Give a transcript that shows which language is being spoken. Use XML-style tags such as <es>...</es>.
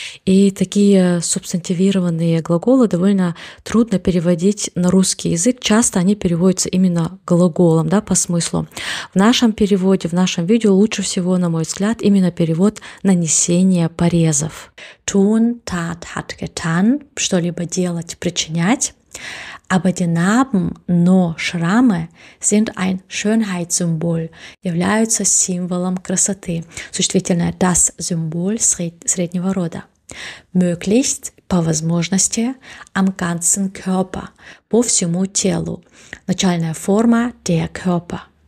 <ru>И такие субстантивированные глаголы довольно трудно переводить на русский язык. Часто они переводятся именно глаголом, да, по смыслу. В нашем переводе, в нашем видео лучше всего, на мой взгляд, именно перевод нанесение порезов.</ru> <de>Tun, tat, hat getan,</de> <ru>что-либо делать, причинять.</ru> <de>Aber die Narben,</de> <ru>но шрамы,</ru> <de>sind ein Schönheitssymbol,</de> <ru>являются символом красоты. Существительное</ru> <de>das Symbol</de> <ru>среднего рода.</ru> <de>Möglichst,</de> <ru>по возможности,</ru> <de>am ganzen Körper,</de> <ru>по всему телу. Начальная форма</ru> <de>der Körper.</de>